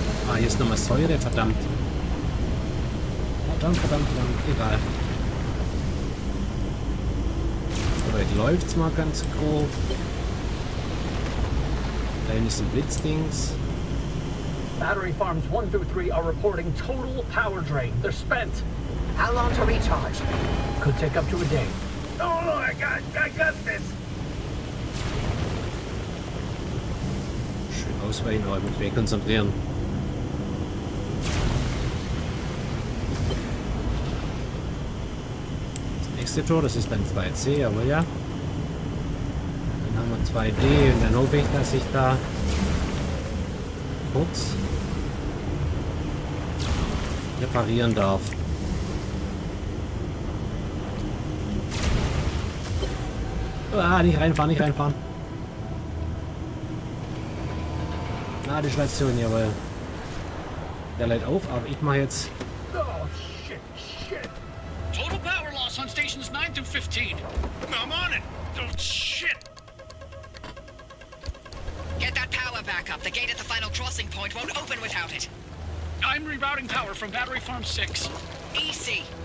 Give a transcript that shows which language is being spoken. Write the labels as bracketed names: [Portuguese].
[German] Ah, hier ist nochmal Säure, verdammt. Verdammt, verdammt, verdammt, egal. Soweit läuft es mal ganz grob. Da hinten ist ein Blitzdings. [English] Battery Farms 1 through 3 are reporting total power drain. They're spent. How long to recharge? Could take up to a day. Oh, I got this! [German] Schön ausweichen, aber mit weg konzentrieren. Das nächste Tor, das ist dann 2C, aber ja. Dann haben wir 2D und dann hoffe ich, dass ich da kurz reparieren darf. Ah, nicht reinfahren, nicht reinfahren. Na, die Station, jawohl. Der lädt auf, aber ich mach jetzt. [English] Oh, shit. Total Power Loss on Stations 9 through 15. I'm on it. Oh, shit. Get that power back up. The gate at the final crossing point won't open without it. I'm rerouting power from Battery Farm 6. Easy.